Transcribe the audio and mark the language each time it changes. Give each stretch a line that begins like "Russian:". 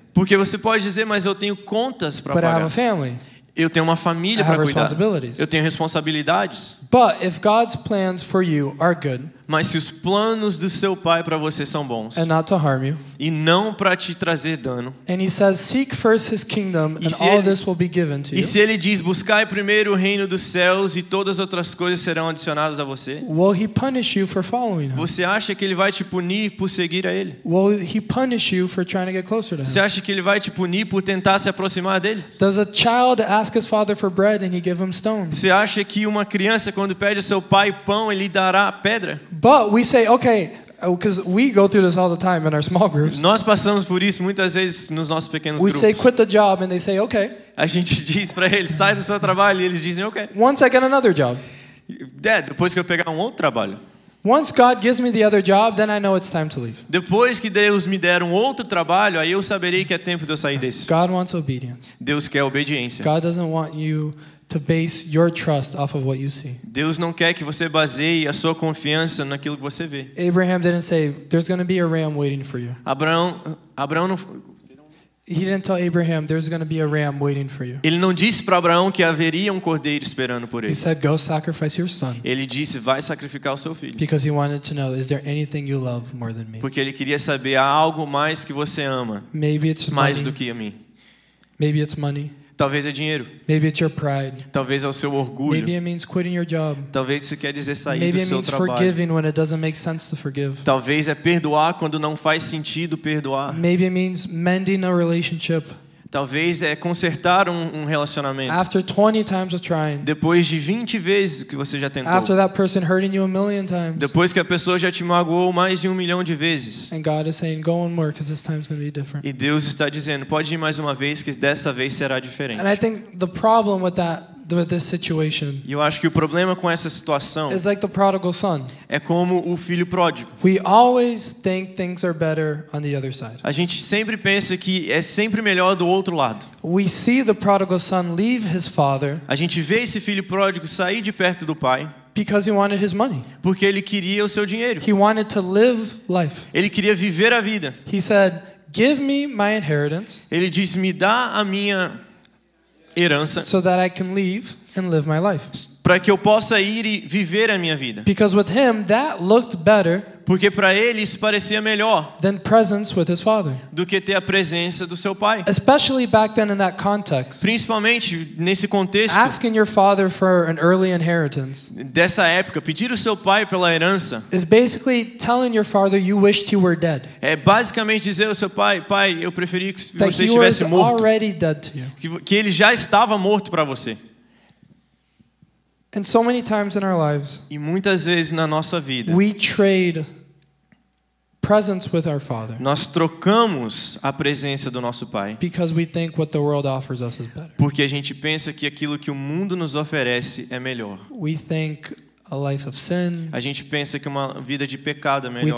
Portuguese: Porque você pode dizer, mas eu tenho contas para pagar.
English: But I have a family.
Portuguese: Eu tenho uma família para cuidar. Eu tenho responsabilidades.
English: But if God's plans for you are good,
Portuguese: mas se os planos do seu pai para você são bons,
English: and not to harm you,
Portuguese: e não para te trazer dano,
English: and he says, seek first his kingdom, and
Portuguese: ele,
English: all this will be given to
Portuguese: e
English: you.
Portuguese: E se ele diz, buscai primeiro o reino dos céus e todas as outras coisas serão adicionadas a você?
English: Will he punish you for following him?
Portuguese: Você acha que ele vai te punir por seguir a ele?
English: Will he punish you for trying to get closer to him?
Portuguese: Você acha que ele vai te punir por tentar se aproximar dele?
English: Does a child ask his father for bread and he give him stone?
Portuguese: Você acha que uma criança quando pede ao seu pai pão ele dará pedra?
English: But we say, okay, because we go through this all the time in our small groups.
Portuguese: Nós passamos por isso muitas vezes nos nossos pequenos grupos.
English: We say, quit the job, and they say, okay.
Portuguese: A gente diz para eles, sai do seu trabalho, e eles dizem, okay.
English: Once I get another job.
Portuguese: Dad, depois que eu pegar outro trabalho.
English: Once God gives me the other job, then I know it's time to leave.
Portuguese: Depois que Deus me der outro trabalho, aí eu saberei que é tempo de eu sair desse.
English: God wants obedience.
Portuguese: Deus quer obediência.
English: God doesn't want you to base your trust off of what you see.
Portuguese: Deus não quer que você baseie a sua confiança naquilo que você vê.
English: Abraham didn't say there's going to be a ram waiting for you.
Portuguese: Abraão não.
English: He didn't tell Abraham there's going to be a ram waiting for you.
Portuguese: Ele não disse para Abraão que haveria cordeiro esperando por ele.
English: He said go sacrifice your son.
Portuguese: Ele disse vai sacrificar o seu filho.
English: Because he wanted to know is there anything you love more than me?
Portuguese: Porque ele queria saber há algo mais que você ama.
English: Maybe it's
Portuguese: mais
English: money.
Portuguese: Do que a mim.
English: Maybe it's money.
Portuguese: Talvez é dinheiro.
English: Maybe it's your pride.
Portuguese: Talvez é o seu orgulho.
English: Maybe it means quitting your job.
Portuguese: Talvez isso quer dizer sair
English: Maybe
Portuguese: do seu trabalho.
English: Forgiving when it doesn't make sense to forgive.
Portuguese: Talvez é perdoar quando não faz sentido perdoar.
English: Maybe it means mending a relationship.
Portuguese: Talvez é consertar um relacionamento.
English: After 20 times of trying.
Portuguese: Depois de 20 vezes que você já tentou.
English: After that person hurting you a million times.
Portuguese: Depois que a pessoa já te magoou mais de 1 milhão de vezes.
English: And God is saying, go one more, because this time's going to be different.
Portuguese: E Deus está dizendo, pode ir mais uma vez, que dessa vez será diferente.
English: And I think the problem with that. With this situation.
Portuguese: Eu acho que o problema com essa situação
English: is like the prodigal son.
Portuguese: É como o filho pródigo.
English: We always think things are better on the other side.
Portuguese: A gente sempre pensa que é sempre melhor do outro lado.
English: We see the prodigal son leave his father.
Portuguese: A gente vê esse filho pródigo sair de perto do pai.
English: Because he wanted his money.
Portuguese: Porque ele queria o seu dinheiro.
English: He wanted to live life.
Portuguese: Ele queria viver a vida.
English: He said, "Give me my inheritance."
Portuguese: Ele disse, "Me dá a minha herança,
English: so that I can leave and live my life.
Portuguese: Para que eu possa ir e viver a minha vida.
English: Because with him that looked better.
Portuguese: Porque para ele isso parecia melhor.
English: Than presence with his father.
Portuguese: Do que ter a presença do seu pai.
English: Especially back then in that context.
Portuguese: Principalmente nesse contexto.
English: Asking your father for an early inheritance.
Portuguese: Dessa época, pedir o seu pai pela herança.
English: Is basically telling your father you wished you were dead.
Portuguese: É basicamente dizer ao seu pai, pai, eu preferia que você estivesse morto.
English: That he was already dead to you.
Portuguese: Que ele já estava morto para você.
English: And so many times in our lives,
Portuguese: e muitas vezes na nossa vida,
English: we trade presence with our father.
Portuguese: Nós trocamos a presença do nosso pai.
English: Because we think what the world offers us is better.
Portuguese: Porque a gente pensa que aquilo que o mundo nos oferece é melhor.
English: We think a life of sin.
Portuguese: A gente pensa que uma vida de pecado é melhor.